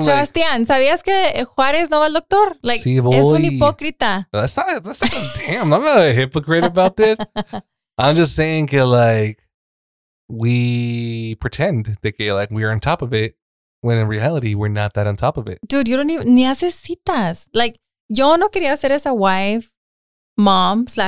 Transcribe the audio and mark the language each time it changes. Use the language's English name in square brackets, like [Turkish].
[Spanish] Sebastián, like, ¿sabías que Juárez no va al doctor? [English] Like, [Spanish] sí voy. Es un hipócrita. [English] That's not damn, I'm not a hypocrite about this. I'm just saying que, like, we pretend de que, like, we are on top of it, when in reality, we're not that on top of it. Dude, you don't even... Ni haces citas. [Spanish] Like, yo no quería ser esa wife, mom.